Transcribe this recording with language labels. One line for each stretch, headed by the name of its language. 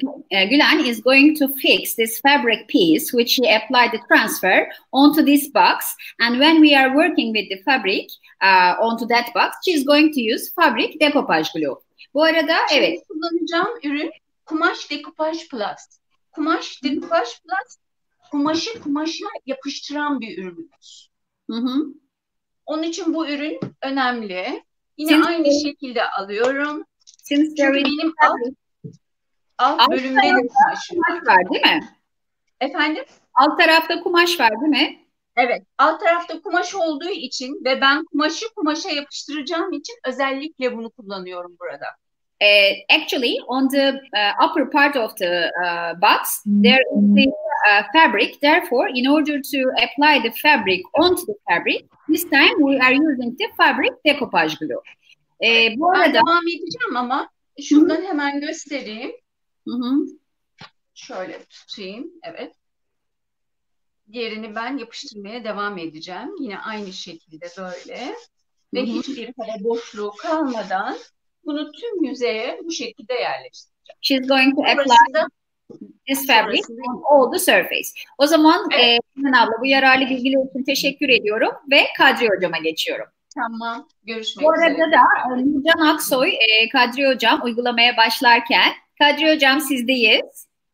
English: Gülen is going to fix this fabric piece which he applied the transfer onto this box. And when we are working with the fabric onto that box, she is going to use fabric decoupage glue.
Turkish: Bu arada şimdi evet. Kullanacağım ürün kumaş decoupage plus. Kumaş decoupage plus kumaşı kumaşına yapıştıran bir ürünümüz. Onun için bu ürün önemli. Yine since aynı şekilde alıyorum. Çünkü benim alt bölümde kumaş var, değil mi? Efendim? Alt tarafta kumaş var, değil mi? Evet. Alt tarafta kumaş olduğu için ve ben kumaşı kumaşa yapıştıracağım için özellikle bunu kullanıyorum burada.
English: Actually, on the upper part of the box, there is the fabric. Therefore, in order to apply the fabric onto the fabric, this time we are using the fabric decoupage glue.
Turkish: Bu ben arada devam edeceğim ama şundan hemen göstereyim. Şöyle tutayım, evet. Diğerini ben yapıştırmaya devam edeceğim. Yine aynı şekilde böyle. Ve hiçbir hava boşluğu kalmadan bunu tüm yüzeye bu şekilde yerleştireceğim.
English: She's going to apply this fabric on all the surface.
Turkish: O zaman Gülen abla, bu yararlı bilgiler için teşekkür ediyorum ve Kadri Hocam'a geçiyorum. Tamam, görüşmek bu üzere. Bu arada da Nurcan Aksoy Kadri Hocam uygulamaya başlarken, Kadri Hocam sizdeyiz.